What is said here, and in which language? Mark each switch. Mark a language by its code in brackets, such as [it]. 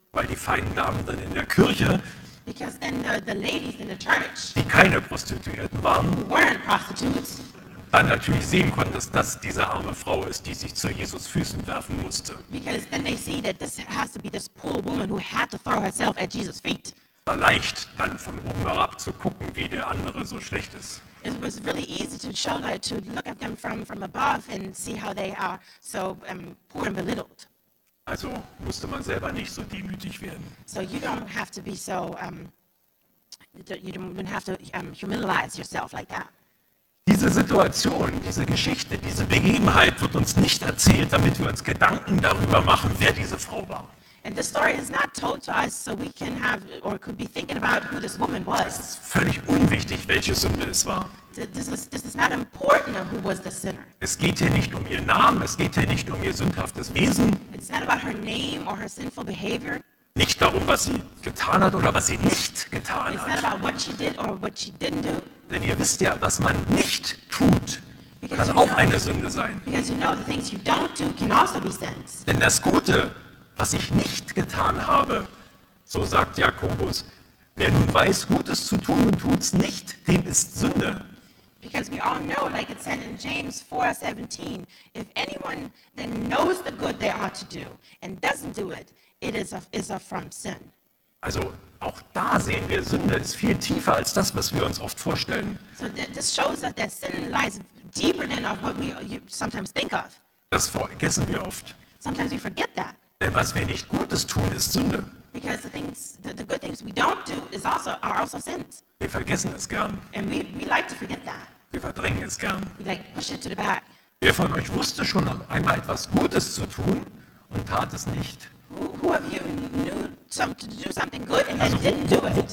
[de] Weil die feinen Damen dann in der Kirche, [en] because then the ladies in the church, [de] die keine Prostituierten waren, [en] weren't prostitutes, [de] dann natürlich sehen konnten, dass das diese arme Frau ist, die sich zu Jesus Füßen werfen musste. [en] Because then they see that this has to be this poor woman who had to throw herself at Jesus' feet. [de] War leicht, dann von oben herab zu gucken, wie der andere so schlecht ist. [en] It was really easy to show that, to look at them from above and see how they are so poor and belittled. [de] Also musste man selber nicht so demütig werden. [en] So you don't have to be so you don't have to humiliate yourself like that. [de] Diese Situation, diese Geschichte, diese Begebenheit wird uns nicht erzählt, damit wir uns Gedanken darüber machen, wer diese Frau war. [en] And the story is not told to us so we can have or could be thinking about who this woman was. [de] Es ist völlig unwichtig, welche Sünde es war. [en] This is not important who was the sinner. [de] Es geht hier nicht um ihren Namen, es geht hier nicht um ihr sündhaftes Wesen. [en] It's not about her name or her sinful behavior. [de] Nicht darum, was sie getan hat oder was sie nicht getan [en] it's [de] hat. [en] It's not about what she did or what she didn't do. [de] Denn ihr wisst ja, was man nicht tut, kann auch eine Sünde sein. [en] Because you know the things you don't do can also be sins. [de] Denn das Gute, was ich nicht getan habe, so sagt Jakobus, wer nun weiß, Gutes zu tun und tut's nicht, dem ist Sünde. [en] Because we all know, like it said in James 4:17, if anyone then knows the good they ought to do and doesn't do it, it is a from sin. [de] Also auch da sehen wir, Sünde ist viel tiefer als das, was wir uns oft vorstellen. [en] So this shows that sin lies deeper than what we sometimes think of. [de] Das vergessen wir oft. [en] Sometimes we forget that. [de] Denn was wir nicht Gutes tun, ist Sünde. [en] Because the good things we don't do is also are also sins. [de] Wir vergessen es gern. [en] And we like to forget that. [de] Wir verdrängen es gern. [en] We like push it to the back. [de] Wer von euch wusste schon einmal etwas Gutes zu tun und tat es nicht? [en] Who of you knew to do something good and then didn't do it?